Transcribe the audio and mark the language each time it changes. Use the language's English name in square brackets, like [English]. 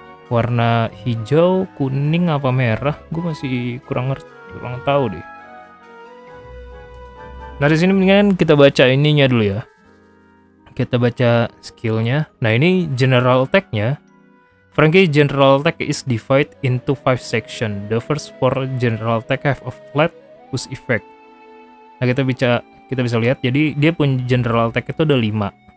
[Indonesian] Warna hijau, kuning apa merah? Gue masih kurang tahu deh. Nah, di sini mendingan kita baca ininya dulu ya. Kita baca skillnya. Nah, ini general attack-nya. [English] Frankie general attack is divided into 5 section. The first 4 general attack have a flat push effect. [Indonesian] Nah, kita bisa lihat, jadi dia pun general attack itu ada 5.